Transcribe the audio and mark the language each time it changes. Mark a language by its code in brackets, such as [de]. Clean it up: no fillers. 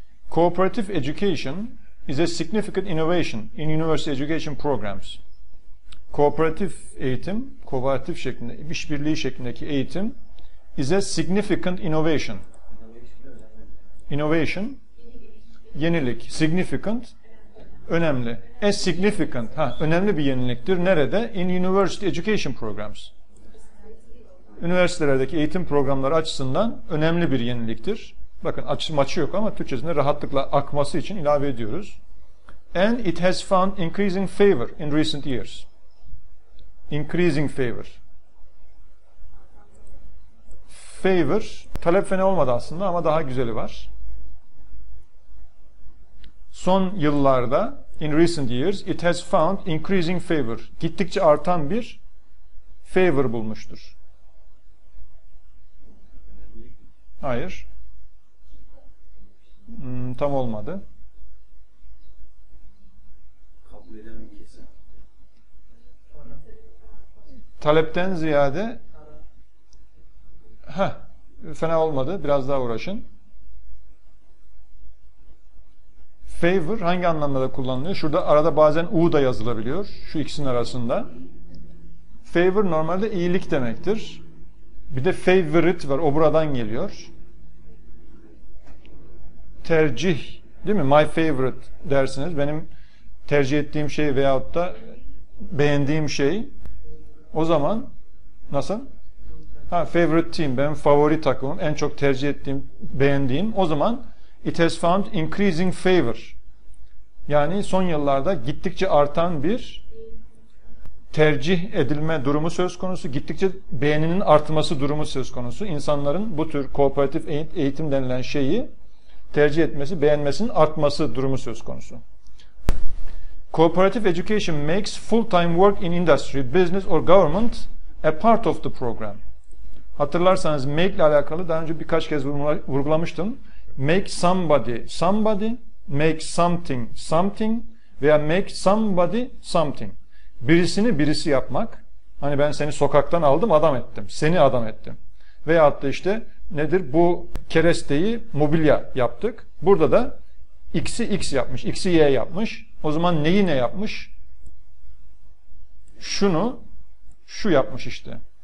[en] Cooperative education is a significant innovation in university education programs. [tr] Cooperative eğitim, kooperatif şeklinde, işbirliği şeklindeki eğitim [en] is a significant innovation. [tr] Innovation, yenilik. Significant, önemli. [en] A significant, [tr] ha, önemli bir yeniliktir. Nerede? [en] In university education programs. [tr] Üniversitelerdeki eğitim programları açısından önemli bir yeniliktir. Bakın maçı yok ama Türkçesinde rahatlıkla akması için ilave ediyoruz. [en] And it has found increasing favor in recent years. Increasing favor. [tr] Favor, talep fena olmadı aslında ama daha güzeli var. Son yıllarda, [en] in recent years, it has found increasing favor. [tr] Gittikçe artan bir favor bulmuştur. Hayır. Tam olmadı. Kabul eden bir kesim. Talepten ziyade fena olmadı. Biraz daha uğraşın. Favor hangi anlamda da kullanılıyor? Şurada arada bazen U da yazılabiliyor. Şu ikisinin arasında. Favor normalde iyilik demektir. Bir de favorite var. O buradan geliyor. Tercih, değil mi? [en] My favorite [tr] dersiniz. Benim tercih ettiğim şey veyahut da beğendiğim şey. O zaman nasıl? Ha, [en] favorite team, [tr] benim favori takımım, en çok tercih ettiğim, beğendiğim. O zaman [en] it has found increasing favor. [tr] Yani son yıllarda gittikçe artan bir tercih edilme durumu söz konusu. Gittikçe beğeninin artması durumu söz konusu. İnsanların bu tür kooperatif eğitim denilen şeyi tercih etmesi, beğenmesinin artması durumu söz konusu. [en] Cooperative education makes full-time work in industry, business or government a part of the program. [tr] Hatırlarsanız make ile alakalı daha önce birkaç kez vurgulamıştım. [en] Make somebody somebody, make something something veya make somebody something. [tr] Birisini birisi yapmak. Hani ben seni sokaktan aldım, adam ettim. Seni adam ettim. Veyahut da işte nedir? Bu keresteyi mobilya yaptık. Burada da X'i X yapmış, X'i Y yapmış. O zaman neyi ne yapmış? Şunu, şu yapmış işte.